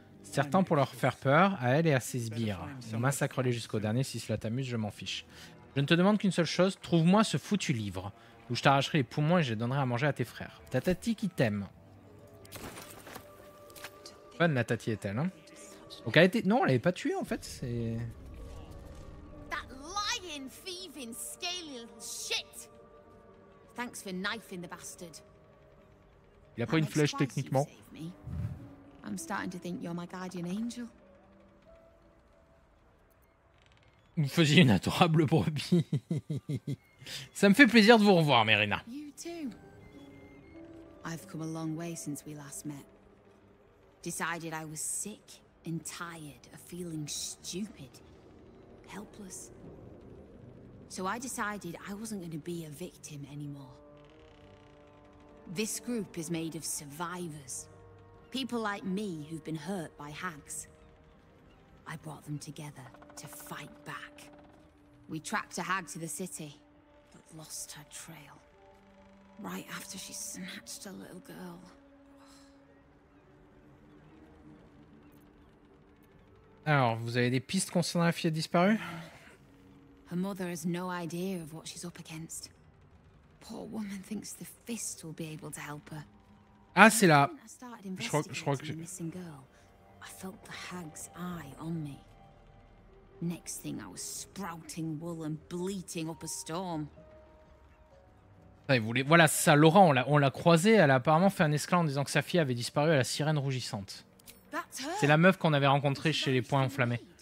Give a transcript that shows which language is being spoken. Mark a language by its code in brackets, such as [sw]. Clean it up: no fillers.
[fr] Certains pour leur faire peur, à elle et à ses sbires. Massacre-les jusqu'au dernier, si cela t'amuse, je m'en fiche. Je ne te demande qu'une seule chose, trouve-moi ce foutu livre, où je t'arracherai les poumons et je les donnerai à manger à tes frères. Ta tati qui t'aime. Fun, la tati est-elle, hein? Donc elle était... Non, elle l'avait pas tuée, en fait, c'est... [en] That lying, thieving, scaly little shit. Thanks for knifing the bastard. [fr] Il a pas une flèche techniquement. [en] I'm starting to think you're my guardian angel. [fr] Vous faisiez une adorable brebis. Ça me fait plaisir de vous revoir, Mérina. [en] You too. I've come a long way since we last met. Decided I was sick and tired of feeling stupid, helpless. So I decided I wasn't going to be a victim anymore. This group is made of survivors. People like me who've been hurt by hags. I brought them together to fight back. We tracked a hag to the city, but lost her trail. Right after she snatched a little girl. [fr] Alors, vous avez des pistes concernant la fille disparue? [en] Her mother has no idea of what she's up against. Poor woman thinks the fist will be able to help her. [fr] Ah, c'est là. Je crois que [en] I felt the hag's eye on me. Next thing I was sprouting wool and bleating up a storm. [fr] Ouais, vous les... Voilà, ça, Laura, on l'a croisée. Elle a apparemment fait un esclat en disant que sa fille avait disparu à la sirène rougissante. C'est la meuf qu'on avait rencontrée chez les points enflammés.